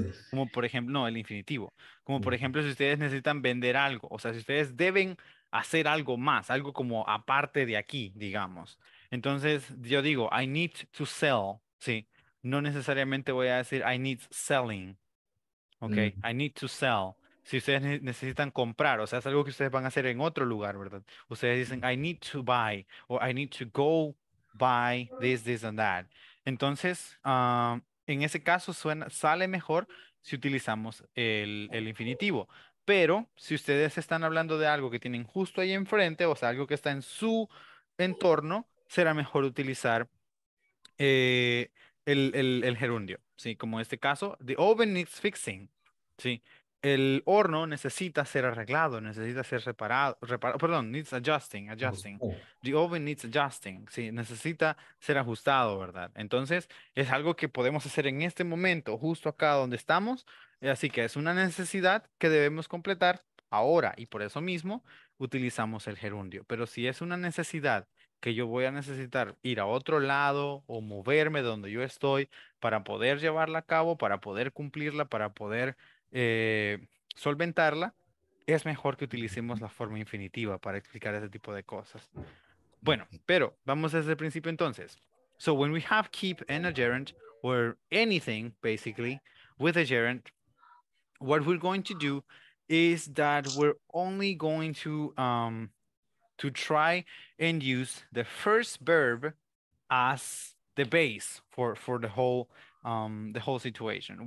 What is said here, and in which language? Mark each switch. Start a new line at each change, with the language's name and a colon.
Spanish: Como por ejemplo, no, el infinitivo. Como por ejemplo, si ustedes necesitan vender algo, o sea, si ustedes deben hacer algo más, algo como aparte de aquí, digamos. Entonces, yo digo,
English: I need to sell.
Spanish: Sí, no necesariamente voy a decir
English: I need selling,
Spanish: ok,
English: I need to sell,
Spanish: si ustedes necesitan comprar, o sea, es algo que ustedes van a hacer en otro lugar, ¿verdad? Ustedes dicen
English: I need to buy,
Spanish: o
English: I need to go buy this, this and that.
Spanish: Entonces, en ese caso sale mejor si utilizamos el infinitivo, pero si ustedes están hablando de algo que tienen justo ahí enfrente, o sea, algo que está en su entorno, será mejor utilizar el gerundio, ¿sí? Como en este caso,
English: the oven needs fixing,
Spanish: ¿sí? El horno necesita ser arreglado, necesita ser reparado,
English: needs adjusting. The oven needs adjusting,
Spanish: ¿sí? Necesita ser ajustado, ¿verdad? Entonces, es algo que podemos hacer en este momento, justo acá donde estamos, así que es una necesidad que debemos completar ahora, y por eso mismo utilizamos el gerundio. Pero si es una necesidad que yo voy a necesitar ir a otro lado o moverme donde yo estoy para poder llevarla a cabo, para poder cumplirla, para poder solventarla, es mejor que utilicemos la forma infinitiva para explicar ese tipo de cosas. Bueno, pero vamos desde el principio entonces.
English: So when we have keep and a gerund, or anything basically with a gerund, what we're going to do is that we're only going to try and use the first verb as the base for the whole situation.